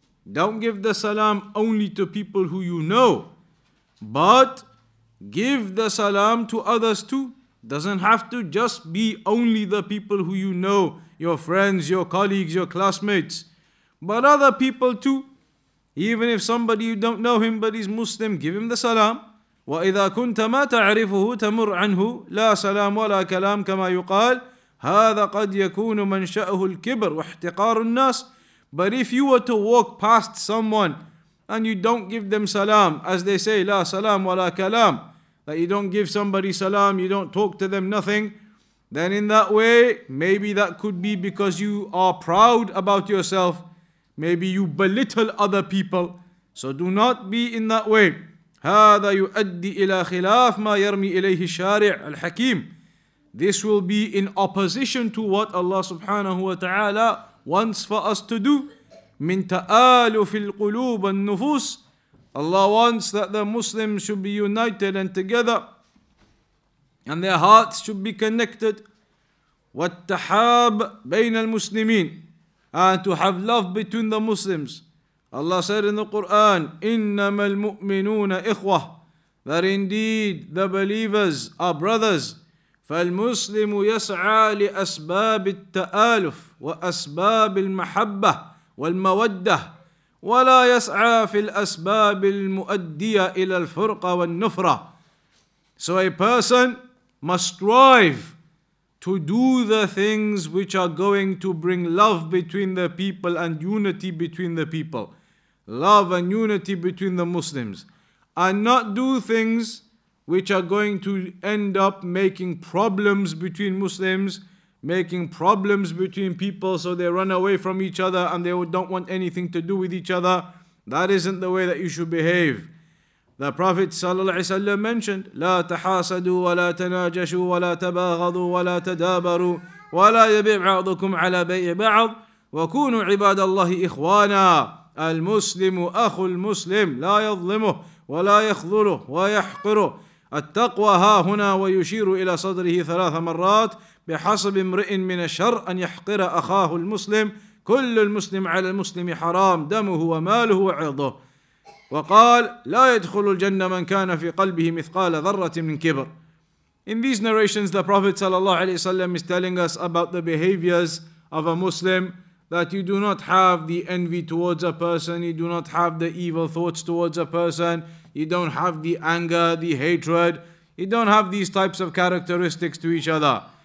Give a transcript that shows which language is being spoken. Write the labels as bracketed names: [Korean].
[English] Don't give the salam only to people who you know. But give the salam to others too. Doesn't have to just be only the people who you know, your friends, your colleagues, your classmates, but other people too. Even if somebody you don't know him but he's Muslim, give him the salam. [Arabic] وإذا كنت ما تعرفه تمر عنه لا سلام ولا كلام كما يقال هذا قد يكون منشأه الكبر واحتقار الناس. [English] But if you were to walk past someone and you don't give them salam, as they say, [Arabic] لا سلام ولا كلام, [English] that you don't give somebody salam, you don't talk to them, nothing, then in that way, maybe that could be because you are proud about yourself. Maybe you belittle other people. So do not be in that way. [Arabic] هذا يؤدي إلى خلاف ما يرمي إليه الشارع الحكيم. [English] This will be in opposition to what Allah subhanahu wa ta'ala wants for us to do. [Arabic] من تآلف القلوب النفوس. [English] Allah wants that the Muslims should be united and together, and their hearts should be connected. [Arabic] والتحاب بين المسلمين. [English] And to have love between the Muslims. Allah said in the Quran, [Arabic] إنما المؤمنون إخوة. [English] That indeed the believers are brothers. [Arabic] فالمسلم يسعى لأسباب التآلف وأسباب المحبة والمودة ولا يسعى في الأسباب المؤدية إلى الفرقة والنفرة. [English] So a person must strive to do the things which are going to bring love between the people and unity between the people. Love and unity between the Muslims. And not do things which are going to end up making problems between Muslims, making problems between people so they run away from each other and they don't want anything to do with each other. That isn't the way that you should behave. The Prophet ﷺ mentioned, [Arabic] لا تحاسدوا ولا تناجشوا ولا تباغضوا ولا تدابروا ولا يبيع بعضكم على بيع بعض وكونوا عباد الله إخوانا. المسلم أخو المسلم لا يظلمه ولا يخذله ويحقره. التقوى ها هنا ويشير إلى صدره ثلاث مرات بحسب امرئ من الشر أن يحقر أخاه المسلم. كل المسلم على المسلم حرام دمه وماله وعرضه. وقال لا يدخل الجنة من كان في قلبه مثقال ذرة من كبر. [English] In these narrations, the Prophet sallallahu alaihi wasallam is telling us about the behaviors of a Muslim, that you do not have the envy towards a person, you do not have the evil thoughts towards a person, you don't have the anger, the hatred, you don't have these types of characteristics to each other.